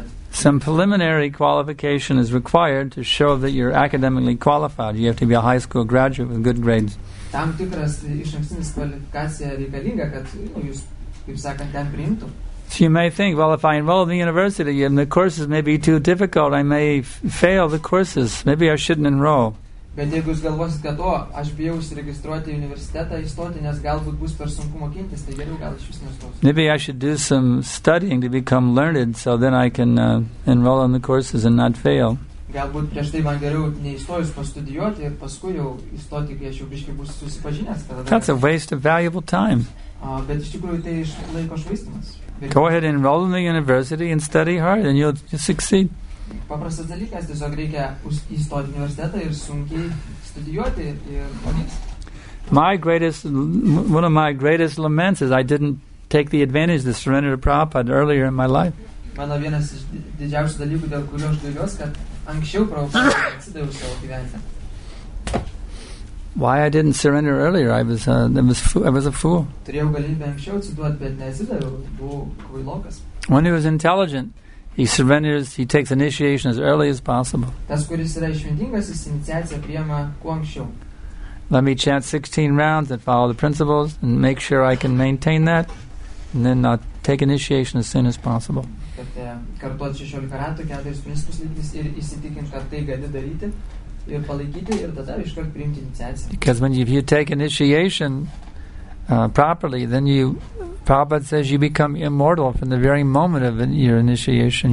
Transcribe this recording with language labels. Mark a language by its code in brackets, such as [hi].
[en] Some preliminary qualification is required to show that you're academically qualified. You have to be a high school graduate with good grades. So you may think, well, if I enroll in the university and the courses may be too difficult, I may fail the courses. Maybe I shouldn't enroll. [lt] Bet jeigu jūs galvosit, kad o, aš bijau užsiregistruoti į universitetą, įstoti, nes galbūt bus per sunku mokintis, tai geriau gal aš vis nestosiu. [en] Maybe I should do some studying to become learned, so then I can enroll in the courses and not fail. [lt] Galbūt prieš tai man geriau neįstojus pastudijuoti ir paskui jau įstoti, kai aš jau biškai bus susipažinęs. [en] That's a waste of valuable time. [lt] Bet iš tikrųjų tai iš laiko švaistimas. [en] Go ahead and enroll in the university and study hard and you'll succeed. [lt] Paprastas dalykas, tiesiog reikia įstoti universitetą ir sunkiai studijuoti ir pavyks. [en] One of my greatest laments is I didn't take the advantage of the surrender to Prabhupada earlier in my life. [lt] Mano vienas iš didžiausių dalykų, dėl kurio aš gailiuosi, kad anksčiau Prabhupada atsidaviau savo gyvenimą. [en] Why I didn't surrender earlier? I was a fool. [lt] Turėjau galimybę anksčiau atsiduoti, bet neatsidaviau, buvau kvailokas. [en] When he was intelligent, he surrenders, he takes initiation as early as possible. [lt] Tas, kuris yra išmintingas, jis iniciaciją priima kuo anksčiau. [en] let me chant 16 rounds and follow the principles and make sure I can maintain that, and then I'll take initiation as soon as possible. Because when if you take initiation properly, then you, Prabhupada says you become immortal from the very moment of your initiation.